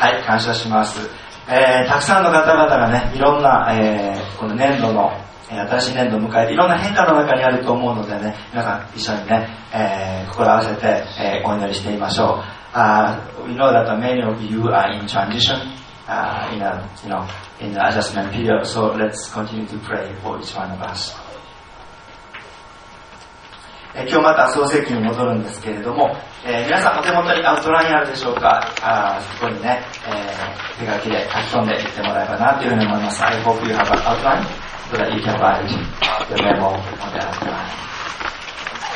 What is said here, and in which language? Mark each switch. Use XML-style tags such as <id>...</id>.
<ja>はい、感謝します。たくさんの方々がね、いろんな、この年度の、新しい年度を迎えて、いろんな変化の中にあると思うのでね、皆さん一緒にね、心合わせて、お祈りしてみましょう。</ja> <en>We know that many of you are in transition, in the adjustment period, so let's continue to pray for each one of us.</en> <ja>今日また創世記に戻るんですけれども、皆さんお手元にアウトラインあるでしょうか。そこにね、手書きで書き込んでいってもらえばなというふうに思います。</ja> <en>I hope you have an outline so that you can write your memo on the outline。</en>